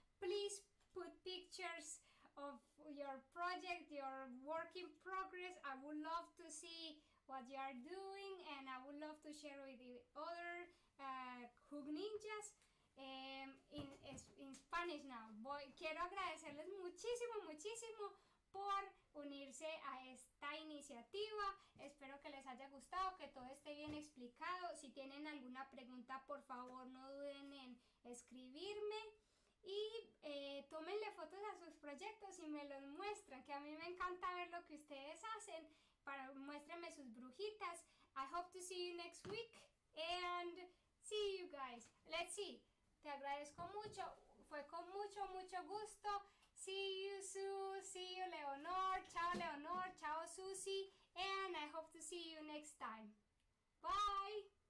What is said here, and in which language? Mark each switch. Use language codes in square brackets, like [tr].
[en] Please put pictures of your project, your work in progress. I would love to see what you are doing, and I would love to share with you other hook ninjas in Spanish now. [es] Quiero agradecerles muchísimo, muchísimo por unirse a esta iniciativa. Espero que les haya gustado, que todo esté bien explicado. Si tienen alguna pregunta, por favor, no duden en escribirme. Y tómenle fotos a sus proyectos y me los muestran, que a mí me encanta ver lo que ustedes hacen. Muéstrenme sus brujitas. [en] I hope to see you next week and see you guys. Let's see. [es] Te agradezco mucho. Fue con mucho, mucho gusto. [en] See you, Sue. See you, Leonor. Chao, Leonor. Chao, Susie. And I hope to see you next time. Bye.